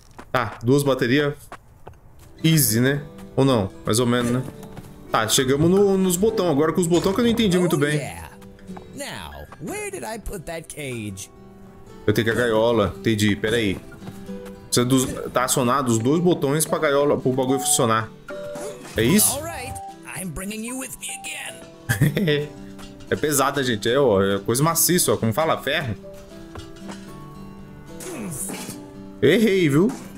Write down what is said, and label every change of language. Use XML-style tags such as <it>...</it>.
<pt>Tá, duas baterias. Easy, né? Ou não? Mais ou menos, né? Tá, chegamos nos botões. Agora com os botões que eu não entendi muito bem.</pt> <en>Now, where did I put that cage?</en> <pt>Eu tenho que a gaiola. Entendi, peraí. Precisa dos, tá acionado os dois botões pra gaiola, pro bagulho funcionar. É isso?</pt> <en>All right, I'm bringing you with me again.</en> <pt>É pesada, gente. É, ó, é coisa maciça, ó. Como fala? Ferro. Errei, viu?</pt>